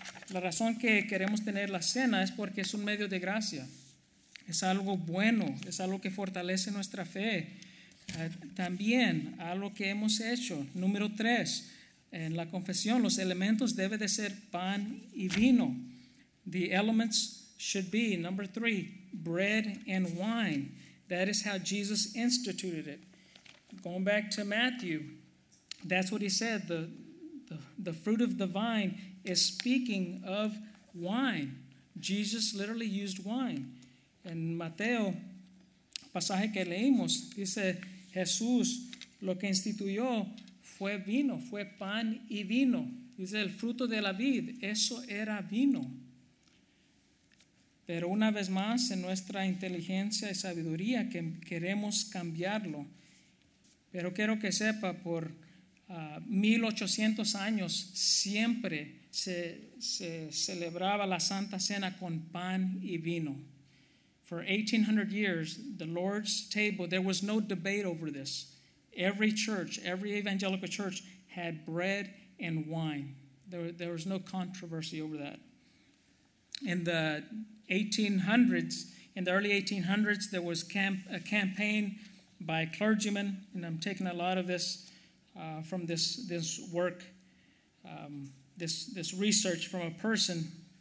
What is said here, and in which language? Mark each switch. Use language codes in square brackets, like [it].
[es] La razón que queremos tener la cena es porque es un medio de gracia. Es algo bueno, es algo que fortalece nuestra fe. También algo que hemos hecho. Número tres, en la confesión, los elementos deben de ser pan y vino. [en] The elements should be, number three, bread and wine. That is how Jesus instituted it. Going back to Matthew, that's what he said. The fruit of the vine is speaking of wine. Jesus literally used wine. [es] En Mateo, pasaje que leímos, dice Jesús, lo que instituyó fue vino, fue pan y vino. Dice el fruto de la vid, eso era vino. Pero una vez más, en nuestra inteligencia y sabiduría, que queremos cambiarlo. Pero quiero que sepa, por 1800 años, siempre se celebraba la Santa Cena con pan y vino. [en] For 1800 years, the Lord's table, there was no debate over this. Every church, every evangelical church had bread and wine. There was no controversy over that. In the 1800s, in the early 1800s, there was a campaign by clergymen, and I'm taking a lot of this from this work, this research from a person.